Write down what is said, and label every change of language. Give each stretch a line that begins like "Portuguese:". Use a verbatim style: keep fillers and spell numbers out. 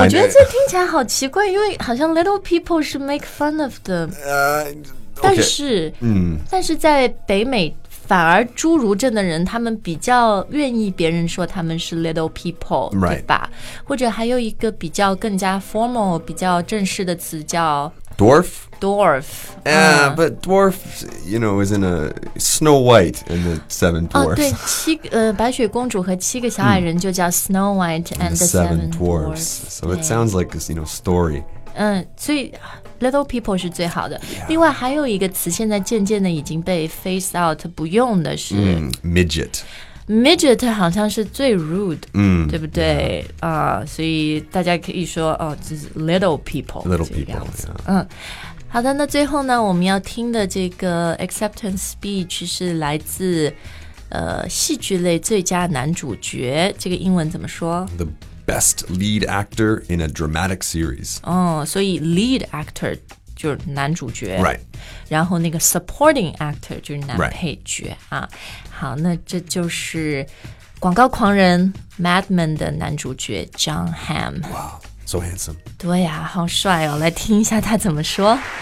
Chinese: 我觉得这听起来好奇怪，因为好像 little people 是
English: make fun of the，呃、uh, okay. ，
Chinese: 但是，嗯，但是在北美。反而侏儒症的人他们比较愿意别人说他们是 little people、
English: right.
Chinese: 对吧，或者还有一个比较更加 formal 比较正式的词叫
English: dwarf dwarf yeah、uh, but dwarf you know is in a Snow White and the seven dwarfs、
Chinese: 哦、对七呃白雪公主和七个小矮人就叫 Snow White and,
English: and the seven dwarfs, dwarfs so it sounds like this you know story
Chinese: 嗯，所以 little people 是最好的。
English: Yeah.
Chinese: 另外还有一个词，现在渐渐的已经被 phase out 不用的是、
English: mm, midget。
Chinese: midget 好像是最 rude，嗯，对不对啊？ Yeah. Uh, 所以大家可以说哦，就是 little people。
English: little
Chinese: 这个样子
English: people、yeah.
Chinese: 嗯，好的，那最后呢，我们要听的这个
English: acceptance speech
Chinese: 是来自呃戏剧类最佳男主角，这个英文怎么说？
English: The best lead actor in a dramatic series.
Chinese: 哦，所以 lead actor 就是男主角。
English: Right.
Chinese: 然后那个 supporting actor 就是男
English: Right.
Chinese: 配角啊。好，那这就是广告狂人 Mad Men 的男主角 John Hamm.
English: Wow, so handsome.
Chinese: 对呀，好帅哦！来听一下他怎么说。